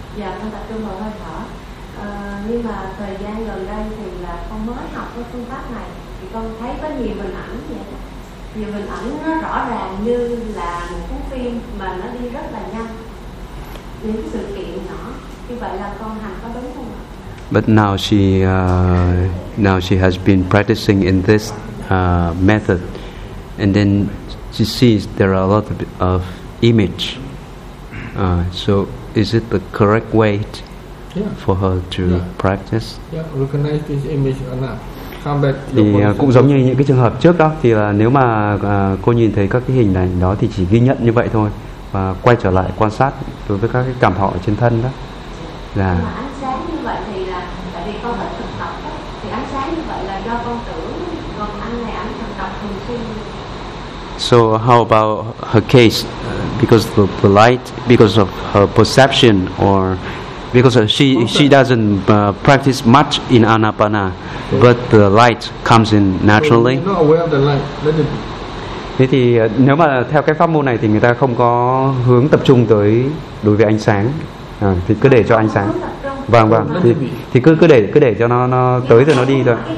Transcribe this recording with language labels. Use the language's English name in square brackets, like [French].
[Vietnamese] Dạ, con tập trung vào hơi thở. Nhưng mà thời gian gần đây thì là con mới học cái phương pháp này thì con thấy có nhiều hình ảnh vậy. Nhiều hình ảnh nó rõ ràng như là một cuốn phim mà nó đi rất là nhanh. Những sự kiện nhỏ. Như vậy là con hành có đúng không ạ? [English] But now she has been practicing in this method, and then she sees there are a lot of image. So is it the correct way for her to practice? Yeah, recognize this image or not. Come back. [Vietnamese] Thì cũng giống như những cái trường hợp trước đó, thì là nếu mà cô nhìn thấy các cái hình này đó thì chỉ ghi nhận như vậy thôi và quay trở lại quan sát đối với các cái cảm thọ ở trên thân đó. Là ánh sáng như vậy thì là tại vì con vẫn thực tập đó, thì ánh sáng như vậy là do con tưởng, còn anh này anh thực tập thường xuyên. [English] So how about her case? Because of the light, because of her perception, or because she doesn't practice much in anapana, but the light comes in naturally. So you're not aware of the light. Let it be. [Vietnamese] Thế thì nếu mà theo cái pháp môn này thì người ta không có hướng tập trung tới đối với ánh sáng, thì cứ để cho ánh sáng. Vâng vâng. Thì cứ để cho nó tới rồi nó đi thôi.